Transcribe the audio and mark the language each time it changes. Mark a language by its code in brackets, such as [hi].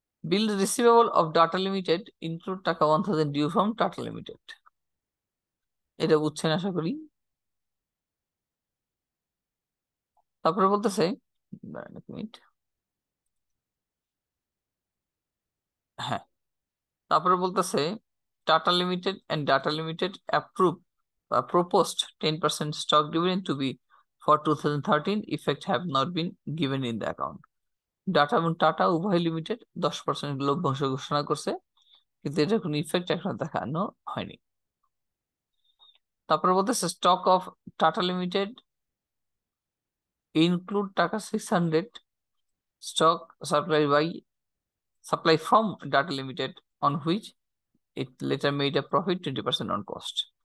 [bn] Bill receivable of data limited include টাকা 1,000 due from tata limited. এটা বুঝছেন আশা করি। তারপরে বলতেছে, দাঁড়ান এক মিনিট, হ্যাঁ, তারপরে বলতেছে tata limited and data limited approve [en] proposed 10% stock dividend to be for 2013 effect have not been given in the account. [bn] Data এবং টাটা উভয় লিমিটেড 10% লভ্যাংশ ঘোষণা করছে কিন্তু এটা কোনো ইফেক্ট এখনো দেখানো হয়নি। তারপর বলতেছে stock of tata limited include টাকা 600 stock supply by supply from data limited on which it later made a profit 20% on cost.